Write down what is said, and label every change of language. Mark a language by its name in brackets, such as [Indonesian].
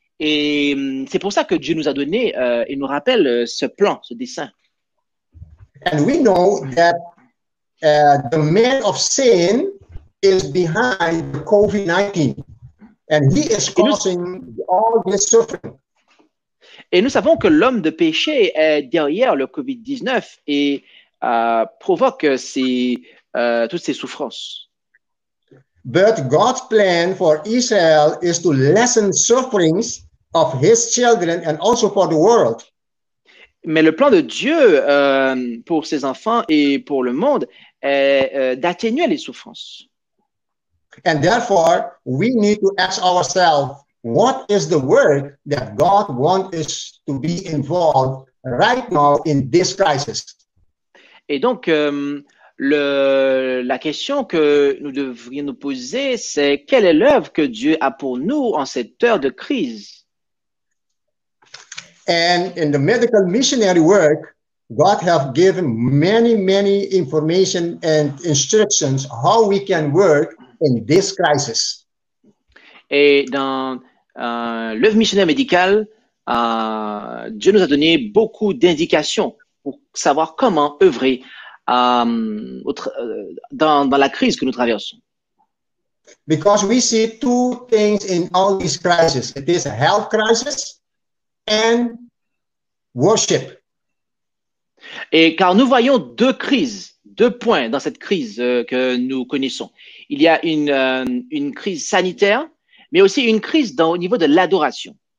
[French] Et c'est pour ça que Dieu nous a donné et nous rappelle ce plan, ce dessein. [English] And we know that the man of sin is behind COVID-19. And he is causing all this suffering. [French] Et nous savons que l'homme de péché est derrière le COVID-19 et provoque toutes ces souffrances. [English] But God's plan for Israel is to lessen sufferings of his children and also for the world. [French] Mais le plan de Dieu pour ses enfants et pour le monde est d'atténuer les souffrances. [English] And therefore, we need to ask ourselves, what is the work that God wants us to be involved right now in this crisis? [French] Et donc, la question que nous devrions nous poser, c'est quelle est l'œuvre que Dieu a pour nous en cette heure de crise? [English] And in the medical missionary work, God have given many, many information and instructions how we can work in this crisis. [French] Et dans l'œuvre missionnaire médicale, Dieu nous a donné beaucoup d'indications pour savoir comment œuvrer dans la crise que nous traversons. [English] Because we see two things in all these crises. It is a health crisis and worship. [French] Et car nous voyons deux crises, deux points dans cette crise que nous connaissons. Il y a une crise sanitaire, mais aussi une crise au niveau de l'adoration.